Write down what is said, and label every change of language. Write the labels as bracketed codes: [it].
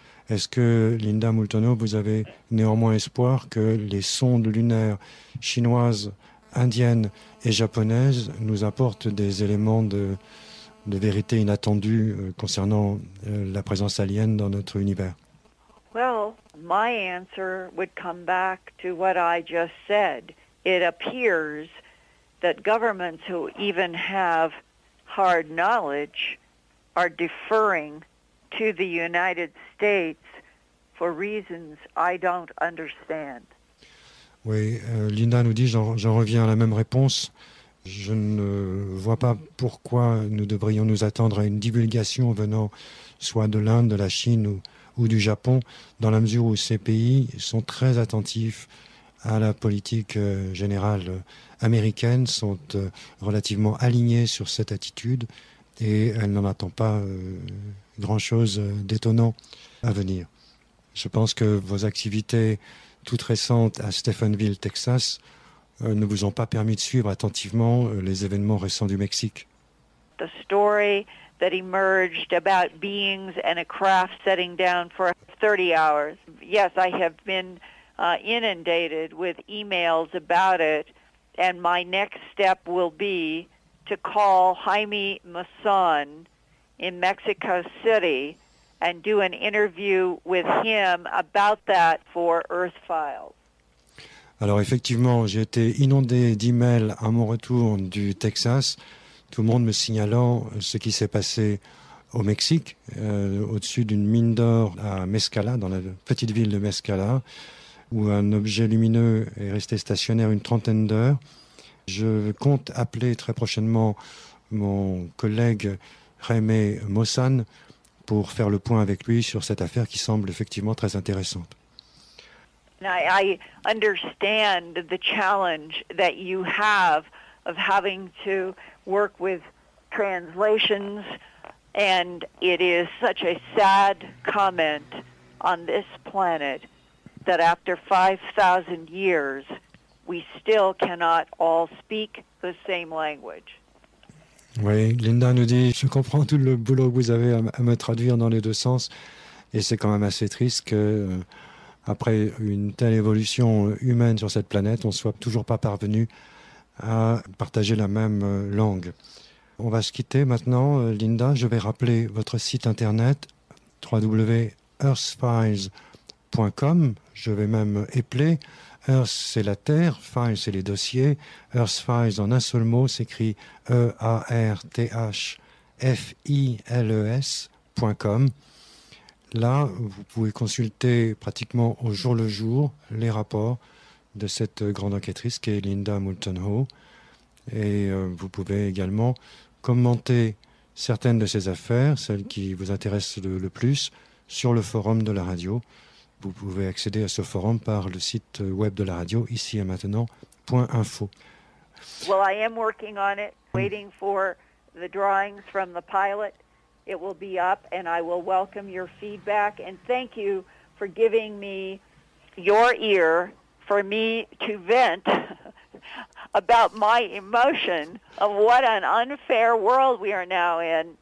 [fr] Est-ce que, Linda Moulton, vous avez néanmoins espoir que les sondes lunaires chinoises, indiennes et japonaises nous apportent des éléments de, de vérité inattendue concernant la présence alien dans notre univers? [en] Well, my answer would come back to what I just said. It appears that governments who even have hard knowledge are deferring to the United States for reasons I don't understand. [fr] Oui, Linda nous dit, j'en reviens à la même réponse. Je ne vois pas pourquoi nous devrions nous attendre à une divulgation venant soit de l'Inde, de la Chine ou du Japon, dans la mesure où ces pays sont très attentifs à la politique générale américaine, sont relativement alignés sur cette attitude et elle n'en attend pas grand-chose d'étonnant à venir. Je pense que vos activités toutes récentes à Stephenville, Texas, ne vous ont pas permis de suivre attentivement les événements récents du Mexique. [en] The story that emerged about beings and a craft setting down for 30 hours. Yes, I have been inundated with emails about it, and my next step will be to call Jaime Masson in Mexico City and do an interview with him about that for Earth Files. [fr] Alors effectivement, j'ai été inondé d'emails à mon retour du Texas, tout le monde me signalant ce qui s'est passé au Mexique, au-dessus d'une mine d'or à Mezcala, dans la petite ville de Mezcala, où un objet lumineux est resté stationnaire une trentaine d'heures. Je compte appeler très prochainement mon collègue Jaime Masson pour faire le point avec lui sur cette affaire qui semble effectivement très intéressante. [en] I understand the challenge that you have of having to work with translations, and it is such a sad comment on this planet that after 5,000 years, we still cannot all speak the same language. [fr] Oui, Linda nous dit, je comprends tout le boulot que vous avez à me traduire dans les deux sens, et c'est quand même assez triste que après une telle évolution humaine sur cette planète, on ne soit toujours pas parvenu à partager la même langue. On va se quitter maintenant, Linda. Je vais rappeler votre site internet, www.earthfiles.com. Je vais même épeler. Earth, c'est la Terre. Files, c'est les dossiers. Earth Files, en un seul mot, s'écrit earthfiles.com. Là, vous pouvez consulter pratiquement au jour le jour les rapports de cette grande enquêtrice qui est Linda Moulton Howe. Et vous pouvez également commenter certaines de ses affaires, celles qui vous intéressent le plus, sur le forum de la radio. Vous pouvez accéder à ce forum par le site web de la radio, ici et maintenant.info. [en] Well, I am working on it, waiting for the drawings from the pilot. It will be up and I will welcome your feedback and thank you for giving me your ear for me to vent about my emotion of what an unfair world we are now in.